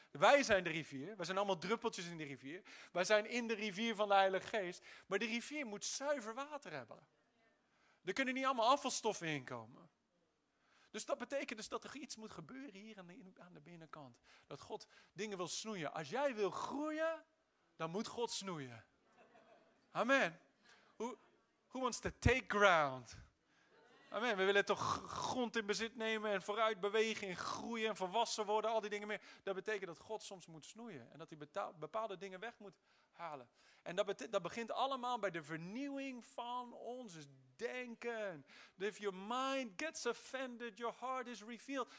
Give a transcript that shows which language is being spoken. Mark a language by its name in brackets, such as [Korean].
[Dutch] Wij zijn de rivier, wij zijn allemaal druppeltjes in de rivier. Wij zijn in de rivier van de Heilige Geest. Maar de rivier moet zuiver water hebben. Er kunnen niet allemaal afvalstoffen in komen. Dus dat betekent dus dat er iets moet gebeuren hier aan de binnenkant. Dat God dingen wil snoeien. Als jij wil groeien, dan moet God snoeien. Amen. [English] Who wants to take ground? [Dutch] Amen. We willen toch grond in bezit nemen en vooruit bewegen en groeien en volwassen worden. Al die dingen meer. Dat betekent dat God soms moet snoeien. En dat hij bepaalde dingen weg moet halen. En dat begint allemaal bij de vernieuwing van ons denken. [English] If your mind gets offended, your heart is revealed.